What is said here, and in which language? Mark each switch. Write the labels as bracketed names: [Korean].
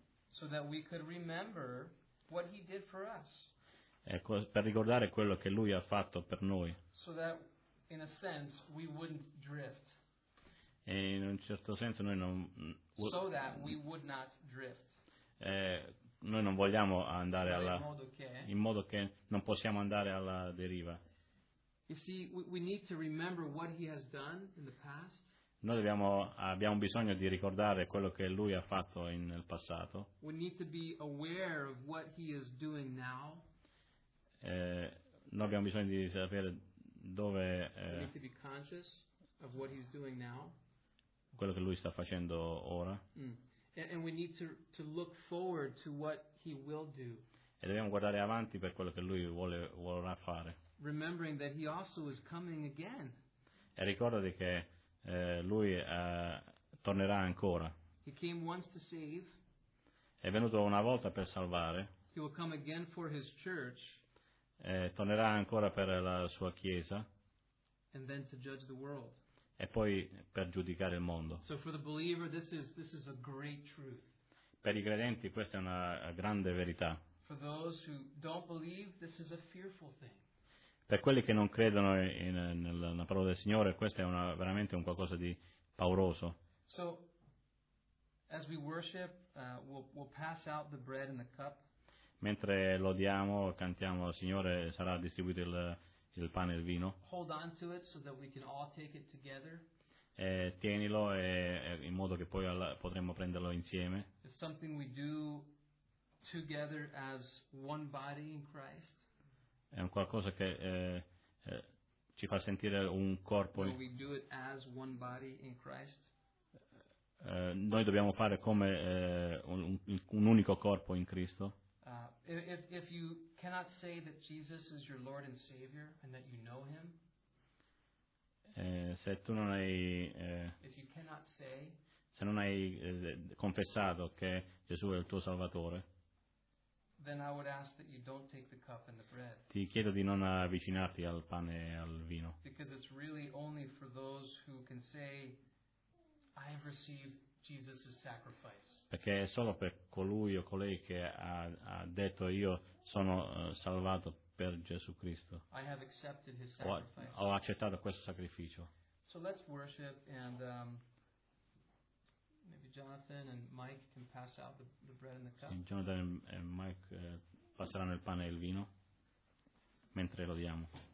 [English] so that we could remember what he did for us. [Italian] Ecco, per ricordare quello che lui ha fatto per noi. [English] So that, in a sense, we wouldn't drift. [Italian] E in un certo senso noi non. [English] So that we would not drift. [Italian] Noi non vogliamo andare alla. In modo che non possiamo andare alla deriva. [English] You see, we need to remember what he has done in the past. [Italian] Noi abbiamo bisogno di ricordare quello che lui ha fatto nel passato. [English] We need to be aware of what he is doing now. [Italian] Noi abbiamo bisogno di sapere dove. [English] We need to be conscious of what he's doing now. [Italian] Quello che lui sta facendo ora. [English] And we need to look forward to what he will do. [Italian] E dobbiamo guardare avanti per quello che lui vorrà fare. [English] Remembering that he also is coming again. [Italian] E ricordati che lui tornerà ancora. [English] He came once to save. [Italian] È venuto una volta per salvare. [English] He will come again for his church. [Italian] E tornerà ancora per la sua chiesa. [English] And then to judge the world. [Italian] E poi per giudicare il mondo. [English] So for the believer, this is a great truth. [Italian] Per i credenti questa è una grande verità. [English] For those who don't believe, this is a fearful thing. [Italian] Per quelli che non credono nella parola del Signore, questo è veramente un qualcosa di pauroso. [English] So, as we worship, we'll pass out the bread and the cup. [Italian] Mentre lodiamo, cantiamo al Signore, sarà distribuito il pane e il vino. [English] Hold on to it so that we can all take it together. [Italian] Tienilo in modo che poi potremmo prenderlo insieme. [English] It's something we do together as one body in Christ. [Italian] È un qualcosa che ci fa sentire un corpo. [English] We do it as one body in Christ. [Italian] Noi dobbiamo fare come un unico corpo in Cristo. [English] If you cannot say that Jesus is your Lord and Savior and that you know him. [Italian] Se tu non hai [English] if you cannot say, [Italian] se non hai confessato che Gesù è il tuo Salvatore. [English] Then I would ask that you don't take the cup and the bread. [Italian] Ti chiedo di non avvicinarti al pane e al vino. [English] Because it's really only for those who can say, I have received Jesus' sacrifice. [Italian] Perché è solo per colui o colei che ha detto io sono salvato per Gesù Cristo. [English] I have accepted his sacrifice. [Italian] Ho accettato questo sacrificio. [English] So let's worship and maybe Jonathan and Mike can pass out the bread and the cup. [Italian] Sì, Jonathan e Mike passeranno il pane e il vino mentre lo diamo.